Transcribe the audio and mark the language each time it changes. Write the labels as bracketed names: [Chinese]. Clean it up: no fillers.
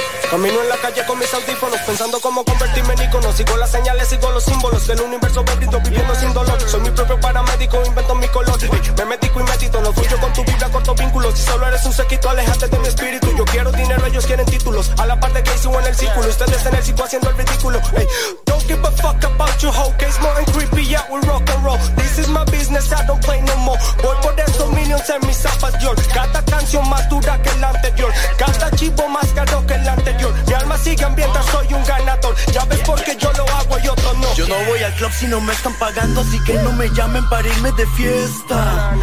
[Spanish] Camino en la calle con mis audífonos, pensando cómo convertirme en ícono. Sigo las señales, sigo los símbolos del universo bendito, viviendo sin dolor. Soy mi propio paramédico, invento mi color. Me medico y medito, no fluyo con tu vibra, corto vínculos. Si solo eres un sequito, alejate de mi espíritu. Yo quiero dinero, ellos quieren títulos. A la par de que subo en el círculo, ustedes en el circo haciendo el ridículo. Hey. [English] Don't give a fuck about your hoe, case more and creepy, yeah, we rock and roll. This is my business, I don't play no more. [Spanish] Voy por estos minions en mis zapas, yo. Cada canción más dura que la anterior. Cada chivo más caro que la anterior. Mi alma sigue hambrienta, soy un ganador. Ya ves por qué yo lo hago y otro no. Yo no voy al club si no me están pagando. Así que no me llamen para irme de fiesta.